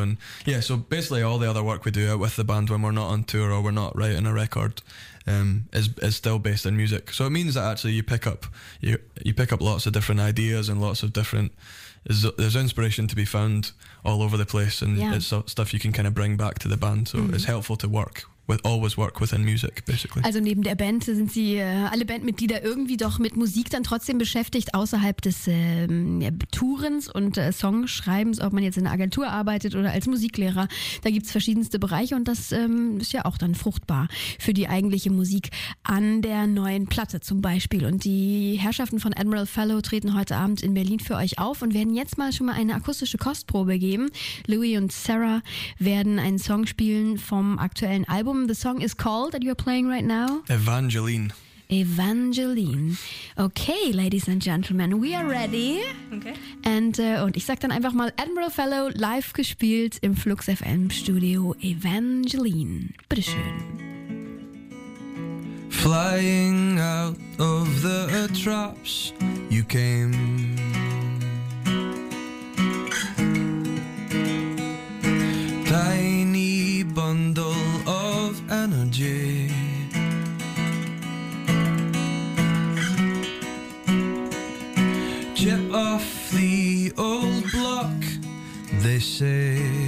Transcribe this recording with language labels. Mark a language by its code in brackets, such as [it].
[en] And yeah, so basically all the other work we do out with the band when we're not on tour or we're not writing a record is still based in music. So it means that actually you pick up lots of different ideas and lots of different... There's inspiration to be found all over the place, and it's stuff you can kind of bring back to the band. So it's helpful to always work within music, basically. [de] Also neben der Band sind Sie alle Bandmitglieder irgendwie doch mit Musik dann trotzdem beschäftigt, außerhalb des Tourens und Songschreibens, ob man jetzt in einer Agentur arbeitet oder als Musiklehrer. Da gibt es verschiedenste Bereiche, und das ist ja auch dann fruchtbar für die eigentliche Musik an der neuen Platte zum Beispiel. Und die Herrschaften von Admiral Fellow treten heute Abend in Berlin für euch auf und werden jetzt mal schon mal eine akustische Kostprobe geben. Louis und Sarah werden einen Song spielen vom aktuellen Album. [en] The song is called, that you're playing right now? Evangeline. Evangeline. Okay, ladies and gentlemen, we are ready. Okay. [de] Und ich sag dann einfach mal Admiral Fellow, live gespielt im Flux FM Studio, Evangeline. Bitteschön. [en] Flying out of the traps you came, tiny bundle of energy, chip off the old block, they say.